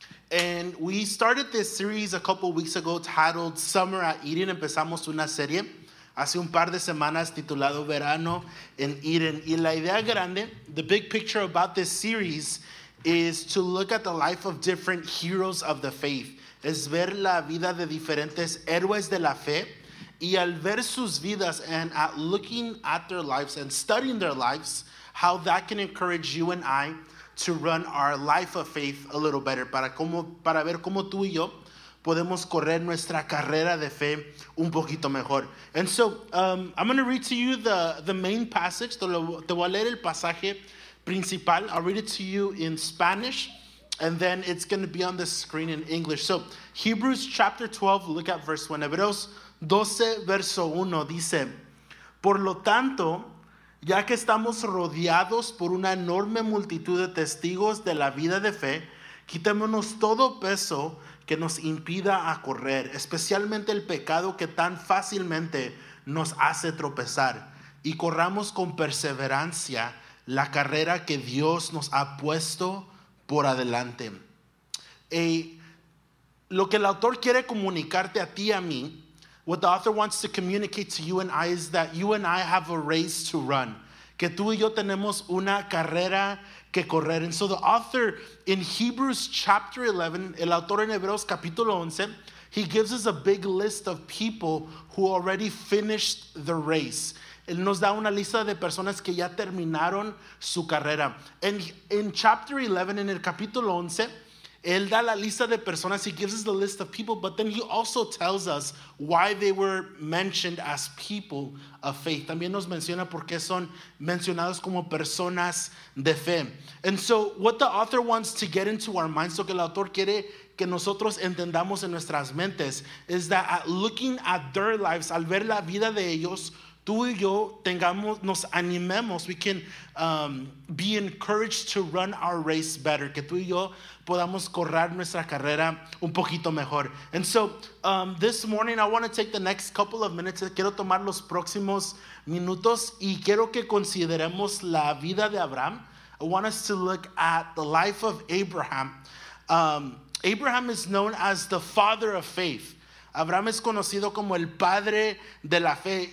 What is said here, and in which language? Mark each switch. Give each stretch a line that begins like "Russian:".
English: And we started this series a couple weeks ago titled Summer at Eden.
Spanish: Empezamos una serie hace un par de semanas titulado Verano en Eden. Y la idea grande,
English: the big picture about this series is to look at the life of different heroes of the faith.
Spanish: Es ver la vida de diferentes héroes de la fe. Y al ver sus vidas
English: and at looking at their lives and studying their lives, how that can encourage you and I to run our life of faith a little better.
Spanish: Para ver cómo tú y yo podemos correr nuestra carrera de fe un poquito mejor.
English: And so, I'm going to read to you the main passage.
Spanish: Te voy a leer el pasaje principal.
English: I'll read it to you in Spanish, and then it's going to be on the screen in English. So, Hebrews chapter 12, look at verse 1.
Spanish: Hebreos 12, verso 1, dice, por lo tanto, ya que estamos rodeados por una enorme multitud de testigos de la vida de fe, quitémonos todo peso que nos impida a correr, especialmente el pecado que tan fácilmente nos hace tropezar, y corramos con perseverancia la carrera que Dios nos ha puesto por adelante. Lo que el autor quiere comunicarte a ti y a mí,
English: what the author wants to communicate to you and I is that you and I have a race to run.
Spanish: Que tú y yo tenemos una carrera que correr.
English: And so the author in Hebrews chapter 11,
Spanish: el autor en Hebreos capítulo 11,
English: he gives us a big list of people who already finished the race.
Spanish: Él nos da una lista de personas que ya terminaron su carrera.
English: And in chapter 11,
Spanish: en el capítulo 11, él da la lista de personas,
English: he gives us the list of people, but then he also tells us why they were mentioned as people of faith.
Spanish: También nos menciona por qué son mencionados como personas de fe.
English: And so what the author wants to get into our minds,
Spanish: lo que el autor quiere que nosotros entendamos en nuestras mentes,
English: is that at looking at their lives,
Spanish: al ver la vida de ellos, tú y yo tengamos, nos animemos,
English: we can be encouraged to run our race better,
Spanish: que tú y yo podamos correr nuestra carrera un poquito mejor.
English: And so, this morning I want to take the next couple of minutes,
Spanish: quiero tomar los próximos minutos y quiero que consideremos la vida de Abraham.
English: I want us to look at the life of Abraham. Abraham is known as the father of faith.
Spanish: Abraham es conocido como el padre de la fe.